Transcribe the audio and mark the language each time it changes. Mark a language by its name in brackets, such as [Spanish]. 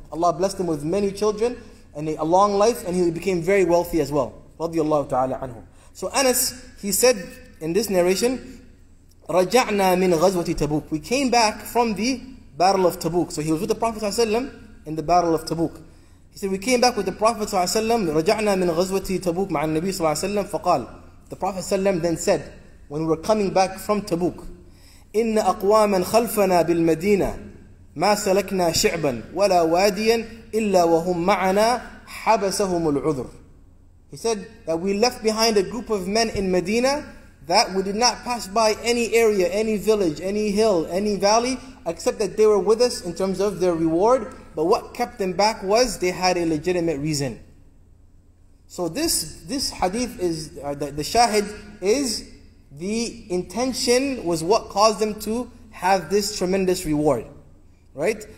[English] Allah blessed him with many children and a long life, and he became very wealthy as well, radiallahu ta'ala anhu. So Anas, he said in this narration, [Arabic] رَجَعْنَا مِنْ غَزْوَةِ تَبُوكِ. [English] We came back from the battle of Tabuk. So he was with the Prophet ﷺ in the battle of Tabuk. He said, we came back with the Prophet ﷺ, [Arabic] رَجَعْنَا مِنْ غَزْوَةِ تَبُوكِ مَعَ النَّبِي صَلَّى اللَّهُ عَلَيْهِ وَسَلَّمَ فَقَالَ. [English] The Prophet ﷺ then said, when we were coming back from Tabuk, [Arabic] إِنَّ أَقْوَامًا خَلْفَنَا بِالْمَدِينَةِ مَا سَلَكْنَا شِعْبًا وَلَا وَادِيًا إِلَّا وَهُمْ مَعَنَا حَبَسَهُمُ الْعُذُرُ. [English] He said that we left behind a group of men in Medina that we did not pass by any area, any village, any hill, any valley, except that they were with us in terms of their reward. But what kept them back was they had a legitimate reason. So this hadith is, the shahid is, the intention was what caused them to have this tremendous reward. Right?